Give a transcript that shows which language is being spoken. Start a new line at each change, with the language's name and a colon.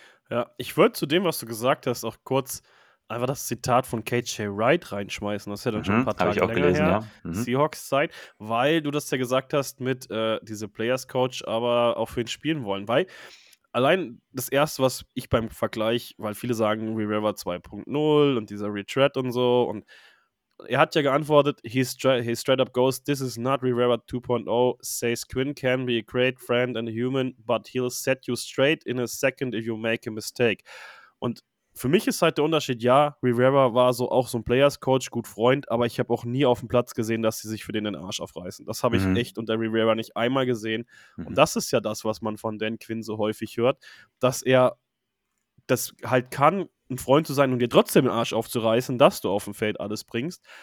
German: Ja, ich würde zu dem, was du gesagt hast, auch kurz einfach das Zitat von KJ Wright reinschmeißen. Das ist ja dann schon ein paar Tage ich auch länger gelesen, her. Ja. Mhm. Seahawks-Zeit, weil du das ja gesagt hast mit diese Players-Coach, aber auch für ihn spielen wollen. Weil allein das Erste, was ich beim Vergleich, weil viele sagen Rivera 2.0 und dieser Retread und so. Und er hat ja geantwortet,
English: he straight up goes, this is not Rivera 2.0, says Quinn can be a great friend and a human, but he'll set you straight in a second if you make a mistake.
German: Und für mich ist halt der Unterschied, ja, Rivera war so auch so ein Players-Coach, gut Freund, aber ich habe auch nie auf dem Platz gesehen, dass sie sich für den Arsch aufreißen. Das habe ich echt unter Rivera nicht einmal gesehen. Mhm. Und das ist ja das, was man von Dan Quinn so häufig hört, dass er das halt kann, ein Freund zu sein und dir trotzdem den Arsch aufzureißen, dass du auf dem Feld alles bringst.